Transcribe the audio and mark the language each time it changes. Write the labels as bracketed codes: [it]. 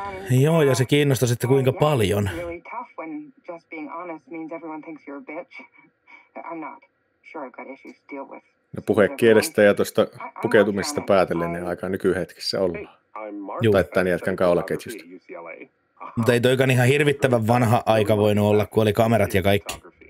[fi] Joo, ja se kiinnostaa sitten kuinka paljon. [en] Really tough when just being honest means everyone thinks you're a bitch. I'm not. Sure, I've got issues to deal with. [fi] No puhekielestä ja tuosta pukeutumisesta päätellen, niin aika nykyhetkissä ollaan. Juu. Tai tämän jätkän kaulaketjusta. Mutta ei toikaan ihan hirvittävän vanha aika voinut olla, kun oli kamerat ja kaikki.